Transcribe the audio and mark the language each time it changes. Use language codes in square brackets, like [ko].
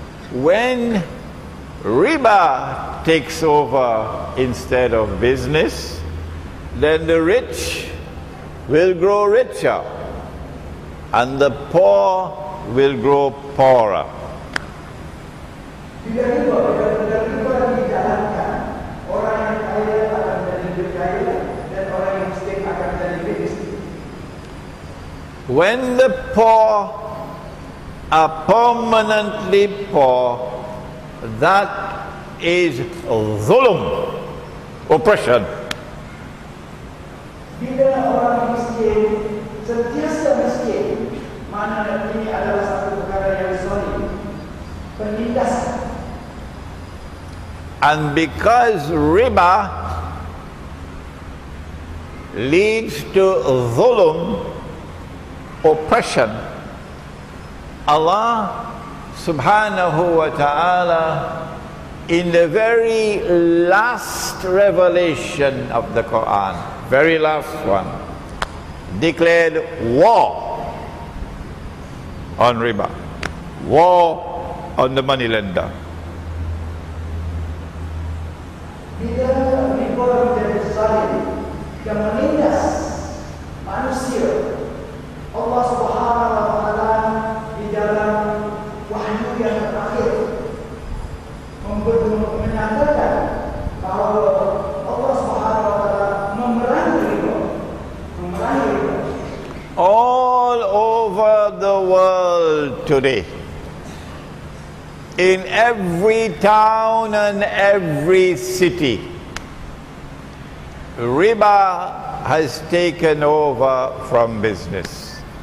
[en] When riba takes over instead of business, then the rich will grow richer and the poor will grow poorer. [ms] Bila riba dijalankan, orang yang kaya akan menjadi lebih kaya dan orang yang miskin akan menjadi lebih miskin. [en] When the poor are permanently poor, that is zulum, oppression. [ms] Bila orang miskin sentiasa miskin, mana ini adalah satu perkara yang zalim, penindas. [en] And because riba leads to zulum, oppression, Allah Subhanahu wa ta'ala, in the very last revelation of the Quran, very last one, declared war on riba, war on the moneylender. [ms] Bila riba menjadi zalim, dia menindas manusia, Allah Subhanahu wa ta'ala di dalam wahyu yang terakhir menyatakan bahwa Allah Subhanahu wa ta'ala memerangi riba. [en] All over the world today, in every town and every city, riba has taken over from business.